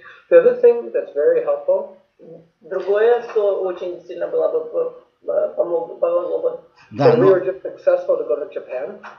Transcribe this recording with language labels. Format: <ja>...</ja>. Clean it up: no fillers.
<en>The other thing that's very helpful.</en> <ru>Другое, что очень сильно было бы помогло бы.</ru> <en>Да, when we were just successful to go to Japan.</en>